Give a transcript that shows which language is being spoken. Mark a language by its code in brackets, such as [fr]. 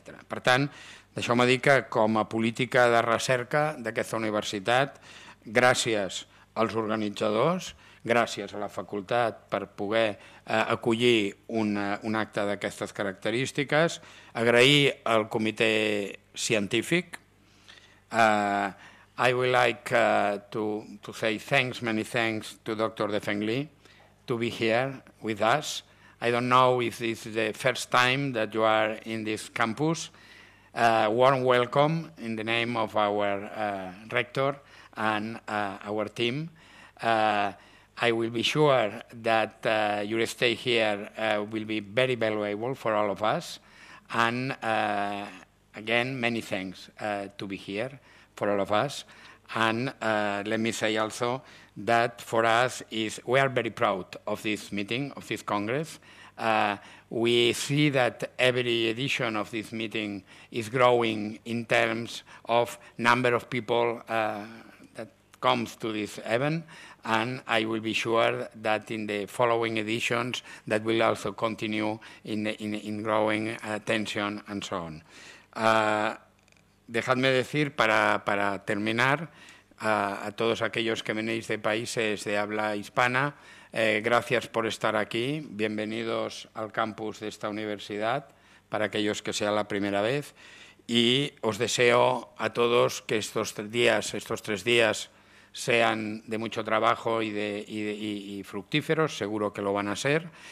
[ca] Per tant, deixeu-me dir que com a política de recerca d'aquesta universitat, gràcies als organitzadors, gràcies a la facultat per poder acollir un acte d'aquestes característiques, agrair al comitè científic. [en] I would like to say thanks, many thanks to Dr. Defeng Li to be here with us. I don't know if this is the first time that you are in this campus. Warm welcome in the name of our rector and our team. I will be sure that your stay here will be very valuable for all of us. And again, many thanks to be here for all of us. And let me say also that for us, we are very proud of this meeting, of this Congress. We see that every edition of this meeting is growing in terms of number of people that comes to this event. And I will be sure that in the following editions that will also continue in growing attention and so on. [es] Dejadme decir para terminar a todos aquellos que venéis de países de habla hispana, gracias por estar aquí, bienvenidos al campus de esta universidad, para aquellos que sea la primera vez, y os deseo a todos que estos tres días sean de mucho trabajo y fructíferos, seguro que lo van a ser.